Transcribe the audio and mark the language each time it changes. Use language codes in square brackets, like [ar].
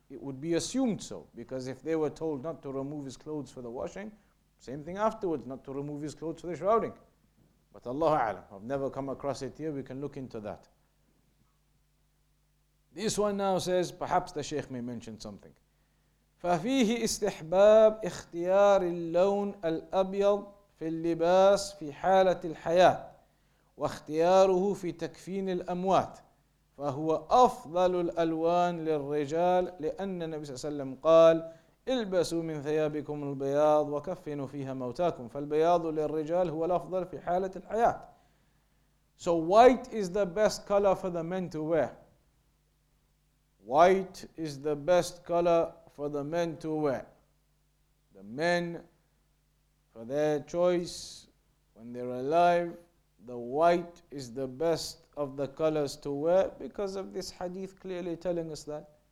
[en] It would be assumed so. Because if they were told not to remove his clothes for the washing, same thing afterwards, not to remove his clothes for the shrouding. But Allahu A'lam, I've never come across it here. We can look into that. This one now says, perhaps the Shaykh may mention something. [ar] فَفِيهِ إِسْتِحْبَابِ إِخْتِيَارِ اللَّوْنِ الْأَبْيَضِ فِي اللِّبَاسِ فِي حَالَةِ الْحَيَاةِ وَاخْتِيَارُهُ فِي تَكْفِينِ الْأَمْوَاتِ فهو أفضل الألوان للرجال لأن النبي صلى الله عليه وسلم قال إلبسوا من ثيابكم البياض وكفنوا فيها موتاكم فالبياض للرجال هو الأفضل في حالة الحياة. [en] So white is the best color for the men to wear. White is the best color for the men to wear. The men, for their choice, when they're alive, the white is the best of the colors to wear because of this hadith clearly telling us that.